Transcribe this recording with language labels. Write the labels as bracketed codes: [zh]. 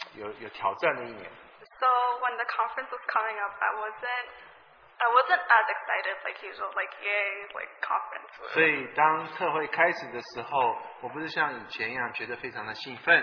[zh] 所以今年也是我跟主的关系最有挑战的一年。 [en] So when the conference was coming up, I wasn't as excited like usual, like yay, like conference. [zh] 所以当特会开始的时候，我不是像以前一样觉得非常的兴奋。 [en] I